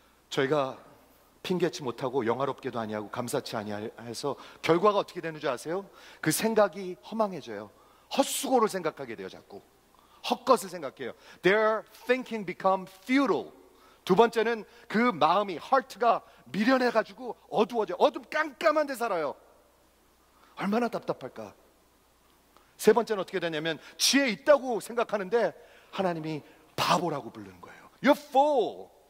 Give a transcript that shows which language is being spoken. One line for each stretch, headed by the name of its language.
Korean: 저희가 핑계치 못하고 영화롭게도 아니하고 감사치 아니해서 결과가 어떻게 되는지 아세요? 그 생각이 허망해져요. 헛수고를 생각하게 돼요. 자꾸 헛것을 생각해요.
English: Their thinking become futile.
Korean: 두 번째는 그 마음이, 하트가 미련해가지고 어두워져요. 어둠 깜깜한 데 살아요. 얼마나 답답할까. 세 번째는 어떻게 되냐면 지혜 있다고 생각하는데 하나님이 바보라고 부르는 거예요.
English: You're fool.